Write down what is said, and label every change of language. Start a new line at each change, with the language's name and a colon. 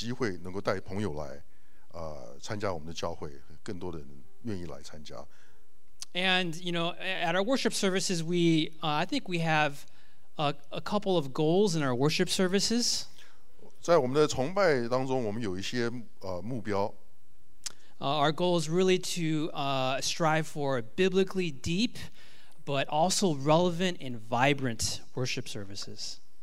Chinese: 我们确实看见当我们出去职堂以后我们就更有机会能够带朋友来 参加我们的教会更多的人愿意来参加
English: And you know at our worship services we I think we have a couple of goals in our worship services.
Chinese: 在我们的崇拜当中，我们有一些 目标。
English: Our goal is really to strive for biblically deep, but also relevant and vibrant worship services.